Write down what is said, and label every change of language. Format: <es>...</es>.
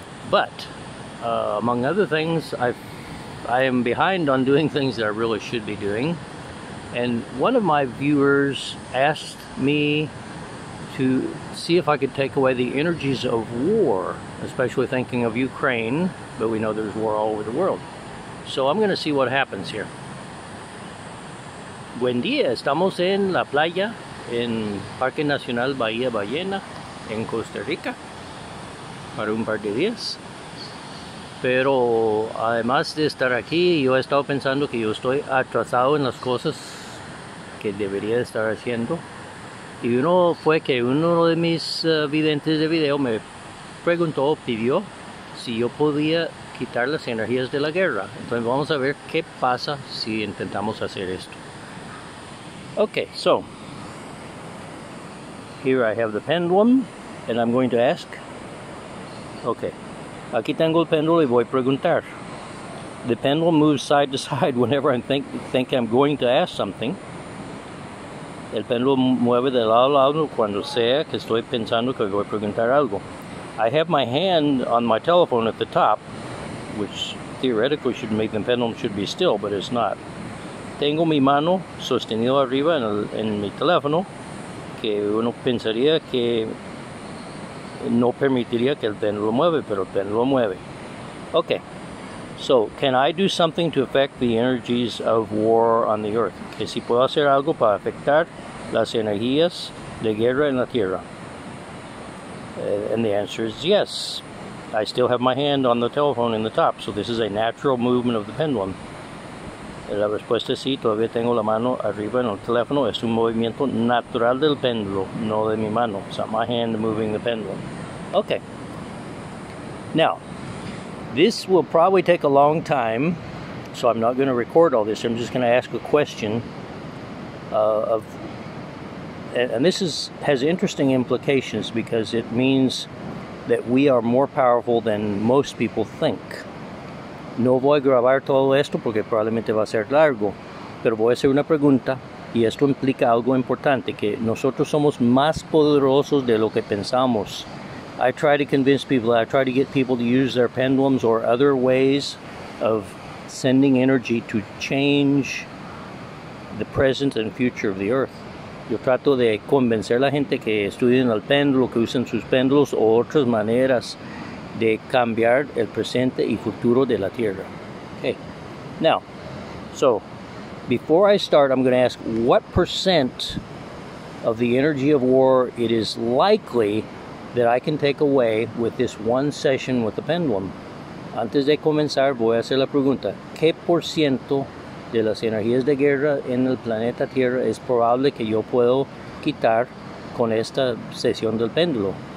<en>But among other things, I am behind on doing things that I really should be doing. And one of my viewers asked me to see if I could take away the energies of war, especially thinking of Ukraine, but we know there's war all over the world. So I'm going to see what happens here.</en> <es>Buen día, estamos en la playa, en Parque Nacional Bahía Ballena, en Costa Rica, para un par de días. Pero además de estar aquí, yo he estado pensando que yo estoy atrasado en las cosas que debería estar haciendo. Y uno fue que uno de mis videntes de video me preguntó, pidió, si yo podía quitar las energías de la guerra. Entonces vamos a ver qué pasa si intentamos hacer esto.</es> <en>Okay, so, here I have the pendulum, and I'm going to ask.</en> <es>Okay, aquí tengo el pendulum y voy a preguntar.</es> <en>The pendulum moves side to side whenever I think I'm going to ask something.</en> <es>El pendulum mueve de lado a lado cuando sea que estoy pensando que voy a preguntar algo.</es> <en>I have my hand on my telephone at the top, which theoretically should make the pendulum should be still, but it's not.</en> <es>Tengo mi mano sostenido arriba en mi teléfono, que uno pensaría que no permitiría que el pendulum mueve, pero el pendulum mueve.</es> <en>Okay. So, can I do something to affect the energies of war on the earth?</en> <es>Que si puedo hacer algo para afectar las energías de guerra en la tierra.</es> <en>And the answer is yes. I still have my hand on the telephone in the top, so this is a natural movement of the pendulum.</en> <es>La respuesta es sí, todavía tengo la mano arriba en el teléfono. Es un movimiento natural del pendulum, no de mi mano.</es> <en>It's not my hand moving the pendulum. Okay. Now, this will probably take a long time, so I'm not going to record all this. I'm just going to ask a question and this has interesting implications because it means that we are more powerful than most people think.</en> <es>No voy a grabar todo esto porque probablemente va a ser largo, pero voy a hacer una pregunta y esto implica algo importante, que nosotros somos más poderosos de lo que pensamos.</es> <en>I try to convince people, I try to get people to use their pendulums or other ways of sending energy to change the present and future of the earth.</en> <es>Yo trato de convencer a la gente que estudien el péndulo, que usen sus péndulos o otras maneras de cambiar el presente y futuro de la tierra.</es> <en>Okay. Now, so, before I start, I'm going to ask what percent of the energy of war it is likely that I can take away with this one session with the pendulum.</en> <es>Antes de comenzar, voy a hacer la pregunta. ¿Qué por ciento de las energías de guerra en el planeta Tierra es probable que yo puedo quitar con esta sesión del péndulo?</es>